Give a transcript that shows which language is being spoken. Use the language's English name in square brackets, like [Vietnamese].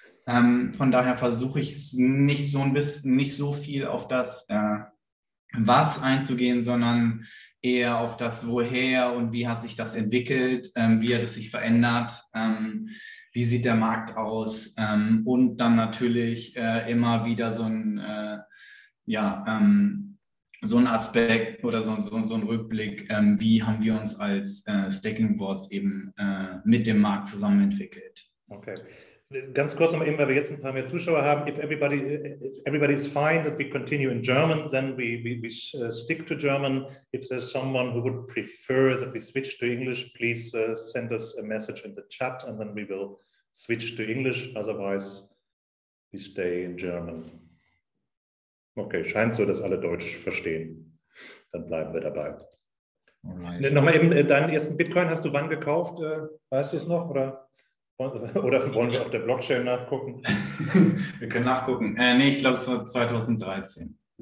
[German] Von daher versuche ich nicht so viel auf das Was einzugehen, sondern eher auf das Woher und wie hat sich das entwickelt, wie hat es sich verändert, wie sieht der Markt aus und dann natürlich immer wieder so ein Aspekt oder so ein Rückblick, wie haben wir uns als Staking Rewards eben mit dem Markt zusammen entwickelt. Okay. Ganz kurz noch eben, weil wir jetzt ein paar mehr Zuschauer haben. [English] If everybody is fine that we continue in German, then we stick to German. If there's someone who would prefer that we switch to English, please send us a message in the chat and then we will switch to English. Otherwise, we stay in German. [German] Okay, scheint so, dass alle Deutsch verstehen. Dann bleiben wir dabei. Alright. Nochmal eben, deinen ersten Bitcoin hast du wann gekauft? Weißt du es noch? Oder wollen wir auf der Blockchain nachgucken? Wir können nachgucken. Nee, ich glaube, es war 2013.